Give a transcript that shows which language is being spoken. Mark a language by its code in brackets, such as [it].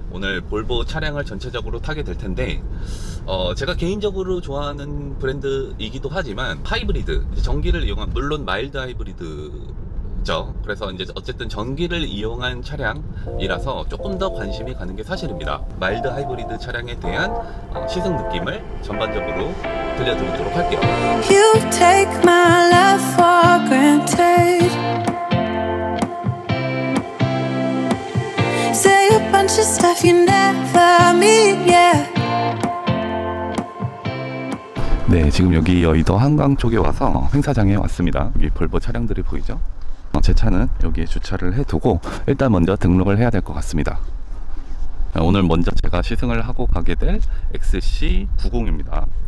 [ko] 오늘 볼보 차량을 전체적으로 타게 될 텐데 제가 개인적으로 좋아하는 브랜드이기도 하지만 하이브리드, 전기를 이용한 물론 마일드 하이브리드 그래서 이제 어쨌든 전기를 이용한 차량이라서 조금 더 관심이 가는 게 사실입니다. 마일드 하이브리드 차량에 대한 시승 느낌을 전반적으로 들려드리도록 할게요. [en] You take my life for granted. Say a bunch of stuff you never meet, yeah. [ko] 네, 지금 여기 여의도 한강 쪽에 와서 행사장에 왔습니다. 여기 볼보 차량들이 보이죠? 제 차는 여기에 주차를 해두고 일단 먼저 등록을 해야 될 것 같습니다. 오늘 먼저 제가 시승을 하고 가게 될 XC90입니다.